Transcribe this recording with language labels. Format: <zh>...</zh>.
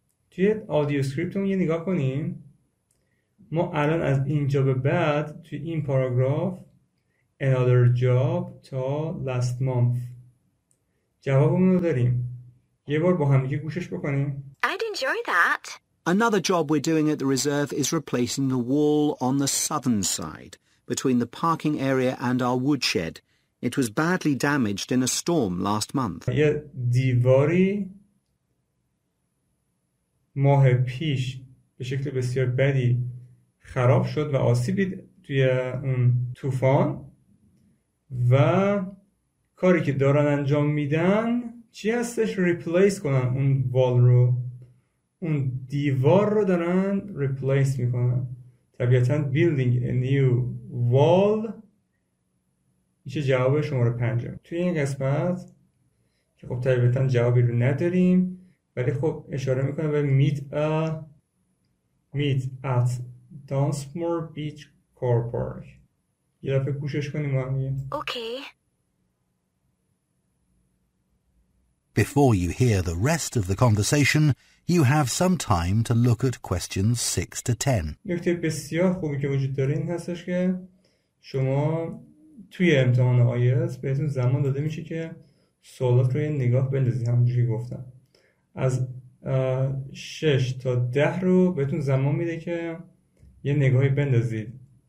<fa>توی آدیو سکریپتمون یه نگاه کنیم. ما الان از اینجا به بعد توی این پاراگراف</fa> <en>Another job</en> <fa>تا</fa> <en>last month</en> <fa>جوابمون رو داریم. یه بار با هم دیگه گوشش بکنیم.</fa> <en>I'd enjoy that. Another job we're doing at the reserve is replacing the wall on the southern side between the parking area and our woodshed. It was badly damaged in a storm last month.</en> <fa>یه دیواری ماه پیش به شکل بسیار بدی خراب شد و آسیبی توی اون طوفان و کاری که دارن انجام میدن چی هستش؟ ریپلیس کنن اون وال رو. اون دیوار رو دارن ریپلیس میکنن. طبیعتاً</fa> <en>building a new wall</en> <fa>میشه جواب شماره 5. توی این قسمت که خب طبیعتاً جوابی رو نداریم ولی خب اشاره میکنه به</fa> <en>meet at Dunsmore Beach Car Park.</en> <fa>یه دفعه کوشش کنیم ما همیه.</fa> <en>Okay. Before you hear the rest of the conversation, you have some time to look at questions 6 to 10.</en> <fa>نکته بسیار خوبی که وجود داره این هستش که شما توی امتحان آیلتس بهتون زمان داده میشه که سوالات رو یه نگاه بندازی. همونجوری گفتم از 6 تا 10 رو بهتون زمان میده که یه نگاهی بندازید</fa>